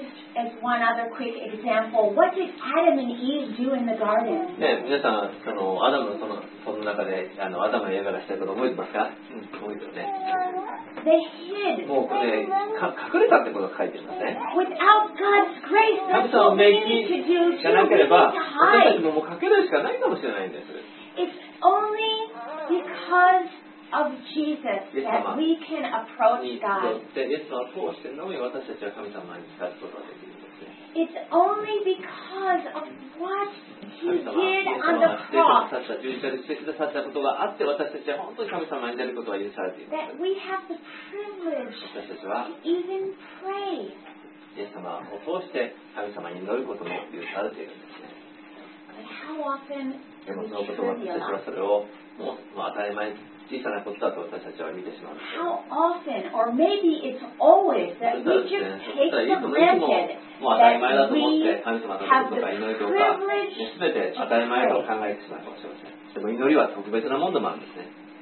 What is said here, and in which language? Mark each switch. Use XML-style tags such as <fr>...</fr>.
<en>As one other quick example, what did Adam and Eve do in the garden?</en> <ja>ね、皆さん、そのアダムのその、その中で、あの、アダムやがらしたこと覚えてますか？うん、覚えてますね。</ja> <en>They hid.</en> <ja>もうこれ、隠れたってことが書いてますね。</ja> <en>Without God's grace, that's what we need to do to hide.</en> <ja>私たちももう隠れるしかないかもしれないんです。</ja> <en>It's only because of Jesus that we can approach God.</en> <ja>イエス様を通してのみ私たちは神様に近づくことができるんですね。</ja> <en>It's only because of what He did on the cross.</en> <ja>十字架でしてくださったことがあって私たちは本当に神様に出ることが許されています。</ja> <en>That we have the privilege to even pray.</en> <ja>イエス様を通して神様に祈ることも許されているんですね。</ja> <en>How often</en> <ja>でもそのことを私たちはそれをもう、まあ、当たり前に小さなことだと私たちは見てしまう。</ja> <en>How often, or maybe it's always that we just take for granted that we have the privilege.</en> <ja>すべて当たり前と考えてしまうかもしれません。でも祈りは特別なものでもあるんですね。</ja>